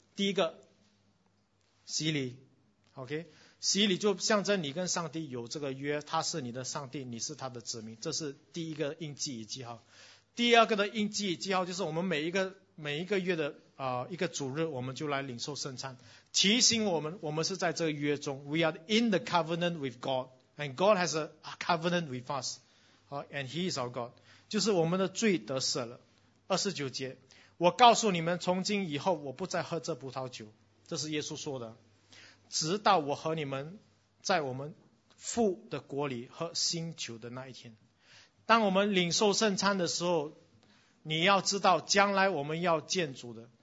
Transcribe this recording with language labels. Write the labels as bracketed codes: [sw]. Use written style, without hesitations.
[zh] 第一个洗礼 ，OK。洗礼就象征你跟上帝有这个约，他是你的上帝，你是他的子民，这是第一个印记与记号。第二个的印记与记号就是我们每一个月的一个主日，我们就来领受圣餐，提醒我们，我们是在这个约中。 [en] We are in the covenant with God, and God has a covenant with us, and He is our God. [zh] 就是我们的罪得赦了。二十九节，我告诉你们，从今以后我不再喝这葡萄酒，这是耶稣说的。直到我和你们在我们父的国里喝新酒的那一天。当我们领受圣餐的时候，你要知道将来我们要见主的。